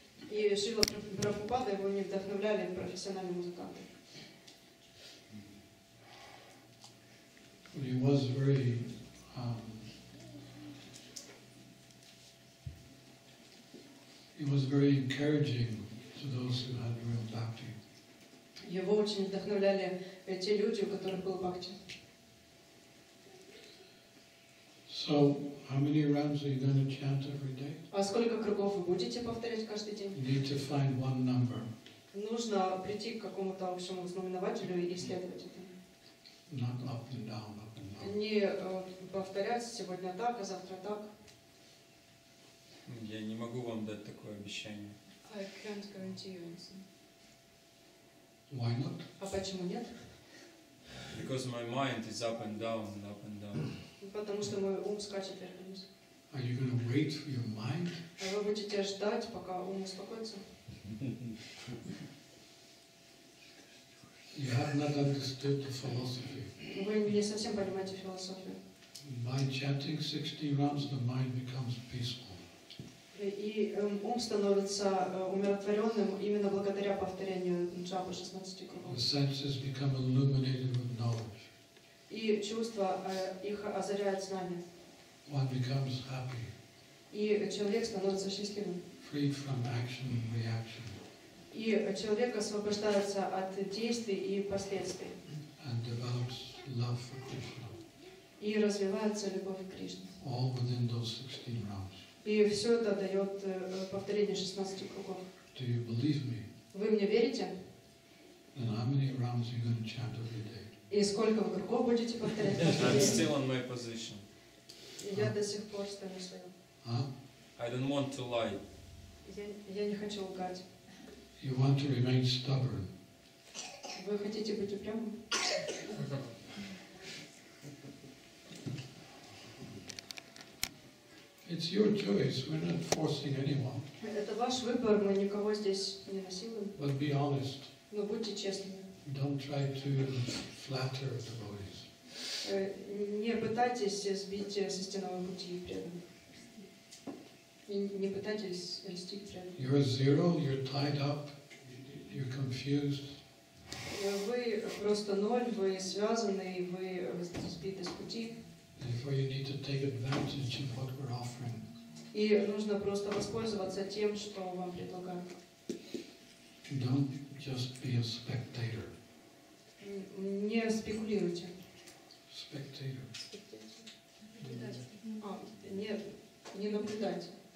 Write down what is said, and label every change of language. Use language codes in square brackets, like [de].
[ru] И Шрила Прабхупада его не вдохновляли профессиональные музыканты. [en] But he was very he was very encouraging to those who had real bhakti. [ru] Его очень вдохновляли те люди, у которых был бхакти. [en] So how many rounds are you going to chant every day? [ru] А сколько кругов вы будете повторять каждый день? [en] You need to find one number. [ru] Нужно прийти к какому-то общему знаменателю и исследовать это. [en] Not up and down, up and down. [ru] Не повторять сегодня так, а завтра так. Я не могу вам дать такое обещание. [en] I can't guarantee you anything. Why not? [ru] А почему нет? [en] Because my mind is up and down, and up and down. [ru] Потому что мой ум скачет вверх вниз. [en] Are you going to wait for your mind? [ru] А вы будете ждать, пока ум успокоится? [en] You have not understood the philosophy. [ru] Вы не совсем понимаете философию. [en] By chanting 60 rounds, the mind becomes peaceful. [ru] И ум становится умиротворенным именно благодаря повторению джапы 16 кругов. [en] The senses become illuminated with knowledge. [ru] И чувства их озаряют знания. [en] One becomes happy. [ru] И человек становится счастливым. [en] Free from action and reaction. [ru] И человек освобождается от действий и последствий. [en] And develops love for Krishna. [ru] И развивается любовь к Кришне. [en] All within those 16 rounds. [ru] И все это дает повторение 16 кругов. [en] Do you believe me? [ru] Вы мне верите? [en] Then how many rounds are you going to chant every day? [ru] И сколько вы кругов будете повторять? [en] I'm still on my position. [ru] Я до сих пор стою на своем. [en] I don't want to lie. [ru] Я не хочу лгать. [en] You want to remain stubborn. [ru] Вы хотите быть упрямым? [en] It's your choice. We're not forcing anyone. [ru] Это ваш выбор. Мы никого здесь не насилуем. [en] But be honest. [ru] Но будьте честны. [en] Don't try to flatter the devotees. [ru] Не пытайтесь сбить со стеного пути преданных. Не пытайтесь льстить преданных. [en] You're a zero, you're tied up, you're confused. [ru] Вы просто ноль, вы связаны, вы сбиты с пути. [en] Therefore you need to take advantage of what we're offering. [ru] И нужно просто воспользоваться тем, что вам предлагают. [en] Don't just be a spectator. [ru] Не спекулируйте. [en] Spectator. [ru] Наблюдатель. Нет, не наблюдать.